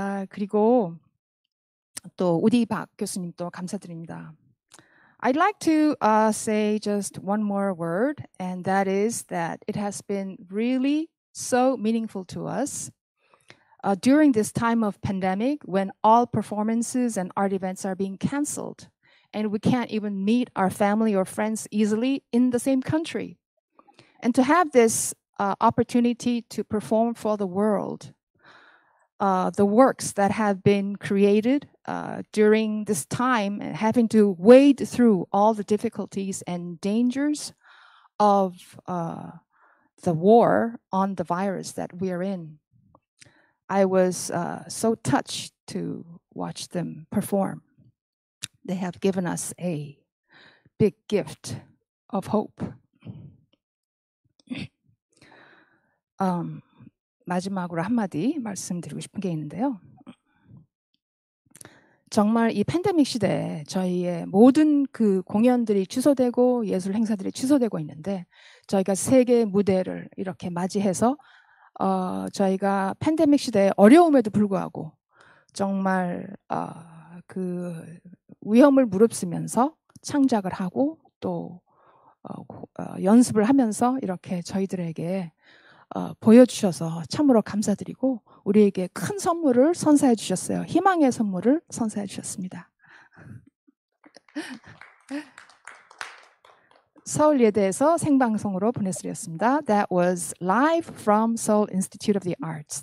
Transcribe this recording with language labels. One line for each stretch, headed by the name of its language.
Korean: 그리고 또 우디 박 교수님도 감사드립니다.
English: I'd like to say just one more word, and that is that it has been really so meaningful to us during this time of pandemic when all performances and art events are being canceled. And we can't even meet our family or friends easily in the same country. And to have this opportunity to perform for the world, the works that have been created during this time and having to wade through all the difficulties and dangers of the war on the virus that we are in. I was so touched to watch them perform. They have given us a big gift of hope.
Korean: 마지막으로 한마디 말씀드리고 싶은 게 있는데요. 정말 이 팬데믹 시대에 저희의 모든 그 공연들이 취소되고 예술 행사들이 취소되고 있는데 저희가 세계 무대를 이렇게 맞이해서 저희가 팬데믹 시대의 어려움에도 불구하고 정말 그 위험을 무릅쓰면서 창작을 하고 또 연습을 하면서 이렇게 저희들에게 보여주셔서 참으로 감사드리고 우리에게 큰 선물을 선사해 주셨어요. 희망의 선물을 선사해 주셨습니다. 서울예대에서 생방송으로 보내드렸습니다.
English: That was live from Seoul Institute of the Arts.